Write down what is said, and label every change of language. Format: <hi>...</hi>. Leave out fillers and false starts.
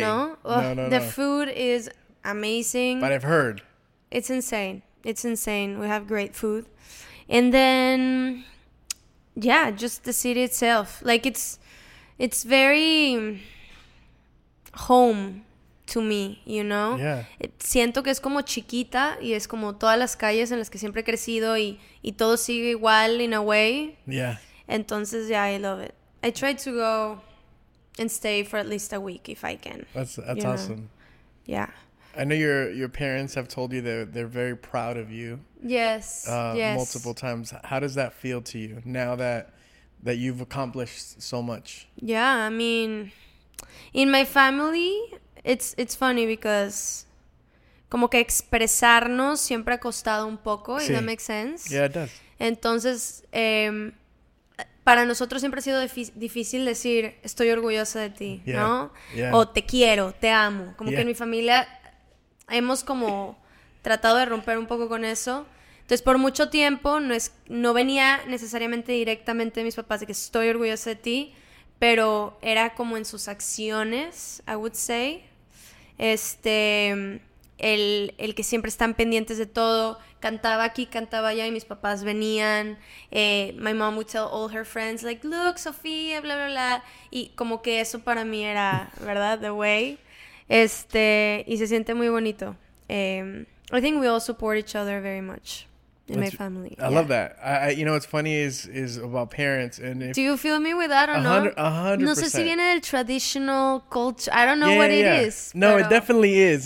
<en>No? No. The food is amazing. But I've heard. It's insane. It's insane. We have great food. And then, yeah, just the city itself. Like, it's very home to me, you know? Yeah.</en> <es>It, siento que es como chiquita y es como todas las calles en las que siempre he crecido y todo sigue igual</es> <en>in a way. Yeah.</en> <es>Entonces,</es> <en>yeah, I love it. I try to go and stay for at least a week if I can. That's awesome. Know? Yeah. I know your parents have told you that they're very proud of you. Yes, yes. Multiple times. How does that feel to you now that you've accomplished so much? Yeah, I mean, in my family, it's funny because</en> <es>como que expresarnos siempre ha costado un poco. Sí.</es> <en>If that makes sense. Yeah, it does.</en> <es>Entonces, para nosotros siempre ha sido difícil decir estoy orgullosa de ti,</es> <en>yeah,</en> <es>¿no?</es> <en>Yeah.</en> <es>O te quiero, te amo. Como</es> <en>yeah.</en> <es>que en mi familia hemos como tratado de romper un poco con eso. Entonces, por mucho tiempo no venía necesariamente directamente de mis papás de que estoy orgullosa de ti, pero era como en sus acciones,</es> <en>I would say.</en> <es>El que siempre están pendientes de todo. Cantaba aquí, cantaba allá y mis papás venían.</es> <en>My mom would tell all her friends, like, look, Sofía, bla, bla, bla.</en> <es>Y como que eso para mí era, ¿verdad?</es> <en>The way.</en> <es>Y se siente muy bonito.</es> <en>I think we all support each other very much in my family. I love that. I, you know, what's funny is about parents. And do you feel me with that or not? 100%.</en> <es>No sé si viene del</es> <en>traditional culture. I don't know what it is. No,</en> <es>pero</es> <en>it definitely is.</en>